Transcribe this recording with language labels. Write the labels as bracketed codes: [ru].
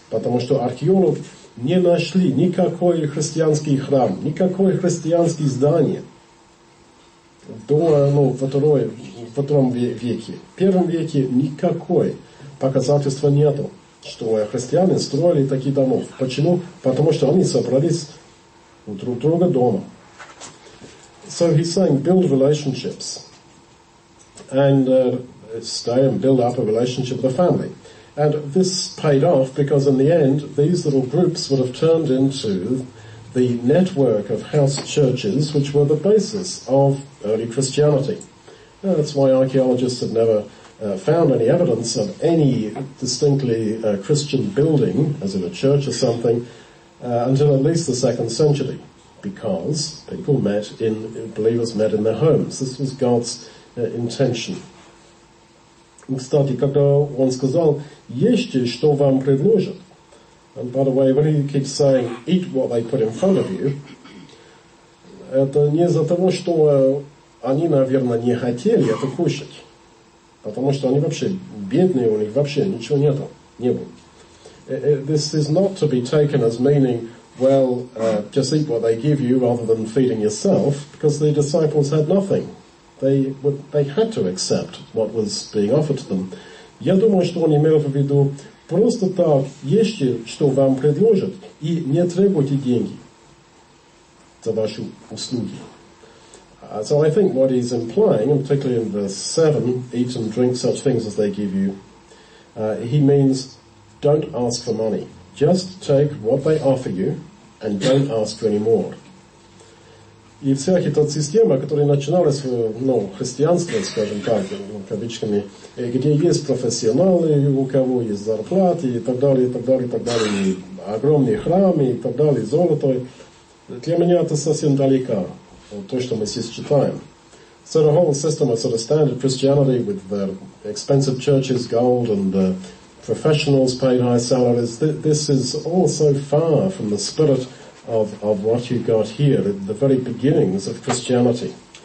[ru] Потому что археологи не нашли никакой христианский храм, никакое христианское здание до, ну, во втором веке. В первом веке никакой показательства нету, что христиане строили такие дома. Почему? Потому что они собрались друг друга дома. [en] So he's saying, build relationships. And stay and build up a relationship with the family. And this paid off because in the end, these little groups would have turned into the network of house churches, which were the basis of early Christianity. Now, that's why archaeologists have never found any evidence of any distinctly Christian building, as in a church or something, until at least the second century, because people met in, believers met in their homes. This was God's intention. [ru] Кстати, когда он сказал, ешьте, что вам предложат. [en] And by the way, when he keeps saying, eat what they put in front of you, [ru] это не из-за того, что они, наверное, не хотели это кушать, потому что они вообще бедные, у них вообще ничего нету, не было. [en] This is not to be taken as meaning, well, just eat what they give you rather than feeding yourself, because the disciples had nothing. They had to accept what was being offered to them. [ru] Я думаю, что он имел в виду, просто так, ешьте, что вам предложат, и не требуйте деньги за ваши услуги. [en] So I think what he's implying, and particularly in verse 7, eat and drink such things as they give you, he means don't ask for money. Just take what they offer you and don't ask for any more. [ru] И вся эта система, которая начиналась в христианстве, скажем так, кавычками, где есть профессионалы, у кого есть зарплаты и так далее, и так далее, и так далее, и огромные храмы и так далее, золото. Для меня это совсем далеко, то, что мы сейчас читаем. [en] So the whole system of sort of standard Christianity with the expensive churches, gold and professionals paid high salaries, this is all so far from the spirit of what you got here, the very beginnings of Christianity.